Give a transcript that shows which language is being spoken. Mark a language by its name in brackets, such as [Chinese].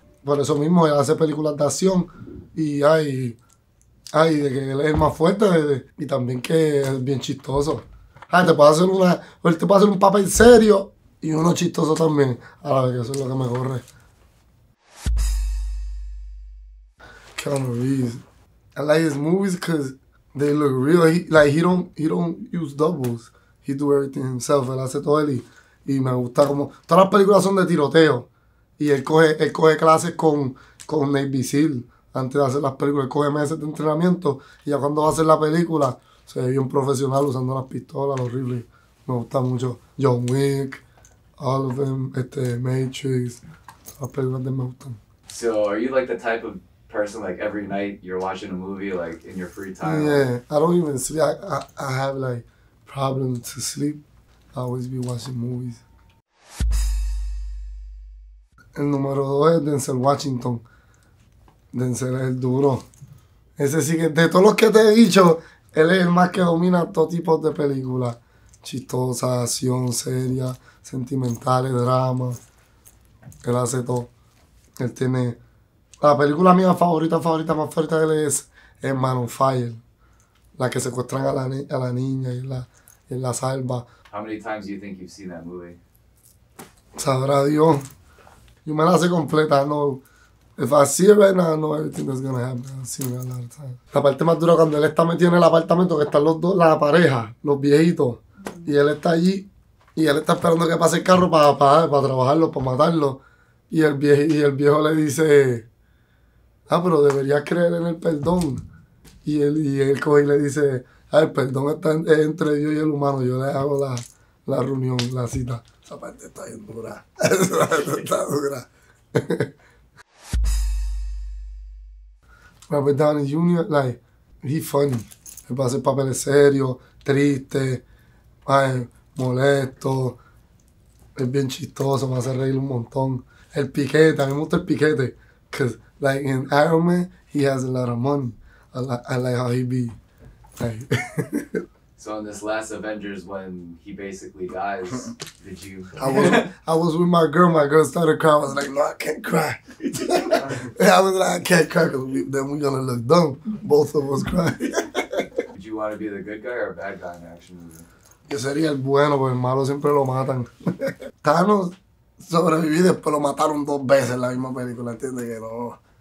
[Spanish] Por eso mismo, él hace películas de acción. Y ay, de que él es más fuerte. Y también que es bien chistoso. Ay, él te puede hacer un papel serio. Y uno chistoso también, a la vez, eso es lo que me corre. [English] Keanu Reeves. I like his movies because they look real. He don't use doubles. He do everything himself. [Spanish] Él hace todo él y me gusta como. Todas las películas son de tiroteo. Y él coge clases con Navy SEAL antes de hacer las películas. Él coge meses de entrenamiento y ya cuando va a hacer la película se ve un profesional usando las pistolas, los rifles. Me gusta mucho. John Wick. [English] All of them, [Spanish] Matrix, las películas de me gustan. [English] So, are you like the type of person like every night you're watching a movie like in your free time or? Yeah, I don't even sleep. I have like problems to sleep. I always be watching movies. [Spanish] El número 2 es Denzel Washington. Denzel es el duro. Ese sí que de todos los que te he dicho, él es el más que domina todo tipo de películas. Chistosa, acción, seria, sentimentales, drama. Él hace todo. Él tiene. La película mía favorita, favorita, más favorita de él es Man on Fire. La que secuestran a la niña y la salva. [English] How many times do you think you've seen that movie? [Spanish] Sabrá Dios. Yo me la sé completa. No. [English] If I see it right now, I know everything that's gonna happen. I've seen it a lot of times. [Spanish] La parte más dura cuando él está metido en el apartamento, que están los dos, la pareja, los viejitos. Y él está allí y él está esperando que pase el carro para trabajarlo, para matarlo. Y el viejo le dice, ah, pero deberías creer en el perdón. Y él coge y le dice, ah, el perdón es entre Dios y el humano. Yo le hago la reunión, la cita. Esa parte está bien dura. Esa parte está dura. [English] Robert Downey Jr., like, he's funny. [Spanish] Él va a hacer papeles serios, tristes. Ay, molesto, es bien chistoso, me hace reír un montón. El piquete, a mí me gusta el piquete. [English] Because, like, in Iron Man, he has a lot of money. I like So in this last Avengers, when he basically dies, did you? I was with my girl started crying. I was like, no, I can't cry. I was like, I can't cry because then we're gonna look dumb. Both of us crying. Would you want to be the good guy or a bad guy in an action movie? [Spanish] Yo sería el bueno, porque el malo siempre lo matan. Thanos sobrevivió y después lo mataron dos veces en la misma película, ¿entiendes? Que no.